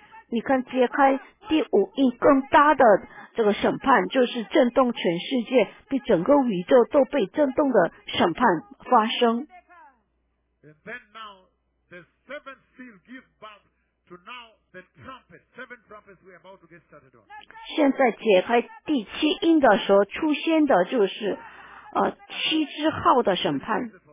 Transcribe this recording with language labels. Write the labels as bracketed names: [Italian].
[Chinese] 你看揭开第五印更大的这个审判，就是震动全世界，被整个宇宙都被震动的审判发生。 [English] And then now the seventh seal gives birth to now the trumpets, seven trumpets we are about to get started on. [Chinese] 现在解开第七印的时候出现的就是七支号的审判。